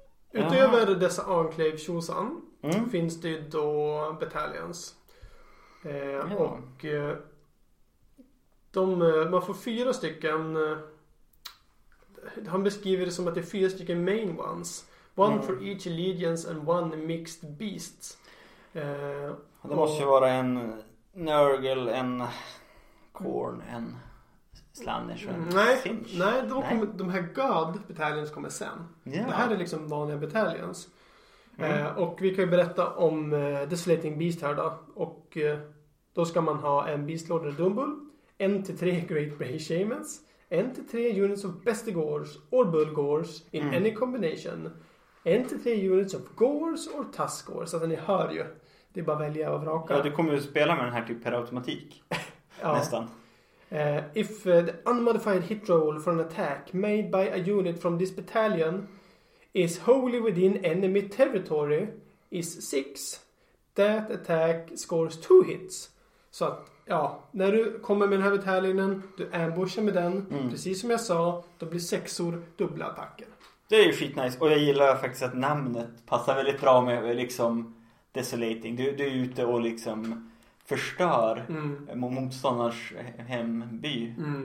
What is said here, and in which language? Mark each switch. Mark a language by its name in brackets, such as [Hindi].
[Swedish] Utöver dessa Enclave-tjosan finns det ju då Battalions. Och de, man får fyra stycken... Han beskriver det som att det är fyra stycken main ones. [English] One for each allegiance and one mixed beasts. [Swedish] Det måste ju vara en Nurgle, en Khorne, en Slanesh och en Finch. Nej, då kommer de här God Battalions kommer sen. [English] Yeah. [Swedish] Det här är liksom vanliga Battalions. Och vi kan ju berätta om Desolating Beast här då. Och då ska man ha en Beast Lord eller Doom Bull, en till tre Great Bray Shamans, en till tre [English] units of Bestigors or Bullgors in any combination. [Swedish] En till tre units of Gors or Tuskors. Så att ni hör ju. Det är bara välja och vraka. Ja, du kommer ju spela med den här typ per automatik. Nästan. [English] If the unmodified hit roll for an attack made by a unit from this battalion is wholly within enemy territory is 6, that attack scores 2 hits. [Swedish] Så att, ja, när du kommer med den här battalionen, du ambushar med den, precis som jag sa, då blir 6-or dubbla attacker. Det är ju skitnice, och jag gillar faktiskt att namnet passar väldigt bra med liksom Desolating. Du är ute och liksom förstör motståndars hemby.